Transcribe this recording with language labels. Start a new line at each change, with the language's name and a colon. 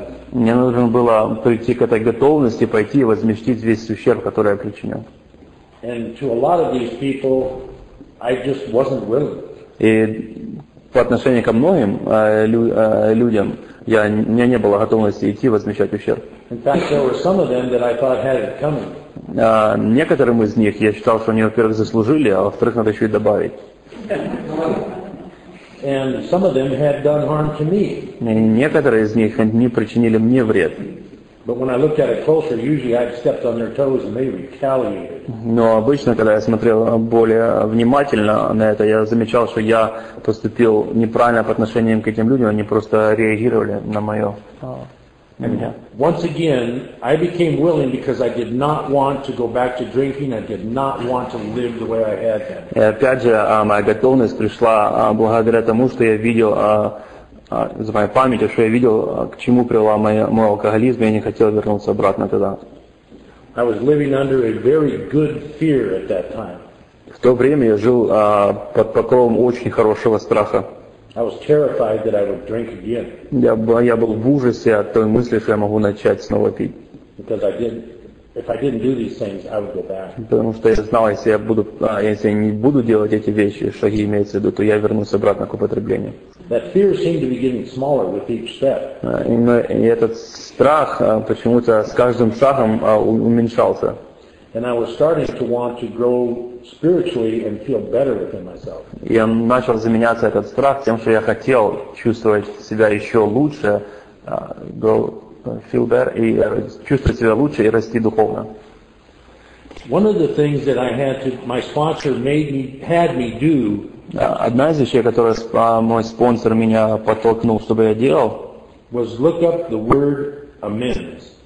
Russian: Мне нужно было прийти к этой готовности, пойти и возместить весь ущерб, который я причинил.
English: And to a lot of these people, I just wasn't willing.
Russian: И по отношению ко многим людям, я, у меня не было готовности идти возмещать ущерб.
English: In fact, there were some of them that I thought had it coming.
Russian: Некоторым из них я считал, что они, во-первых, заслужили, а во-вторых, надо еще и добавить.
English: And some of them had done harm to me.
Russian: И некоторые из них не причинили мне вред.
English: But when I looked at it closer, usually I'd stepped on their toes and they retaliated.
Russian: Но обычно, когда я смотрел более внимательно на это, я замечал, что я поступил неправильно по отношению к этим людям, они просто реагировали на мое.
English: Once again, I became willing because I did not want to go back to drinking. I did not want to live the way I had been.
Russian: И опять же, моя готовность пришла благодаря тому, что я видел. За моей памятью, что я видел, к чему привела мой алкоголизм, я не хотел вернуться обратно тогда.
English: I was living under a very good fear at that time.
Russian: В то время я жил под покровом очень хорошего страха.
English: I was terrified that I would drink again.
Russian: Я был в ужасе от той мысли, что я могу начать снова пить.
English: Because I didn't, if I didn't do these things, I would go back.
Russian: Потому что я знал, если я не буду делать эти вещи, шаги имеются в виду, то я вернусь обратно к употреблению.
English: That fear seemed to be getting smaller with each step.
Russian: И этот страх почему-то с каждым шагом уменьшался.
English: And I was starting to want to grow spiritually and feel better within myself.
Russian: И он начал заменяться этот страх тем, что я хотел чувствовать себя еще лучше,
English: feel better
Russian: и чувствовать себя лучше и расти духовно.
English: One of the things that I had to, my sponsor made me, had me do.
Russian: Одна из вещей, которую мой спонсор меня подтолкнул, чтобы я делал,
English: was look up the word amends.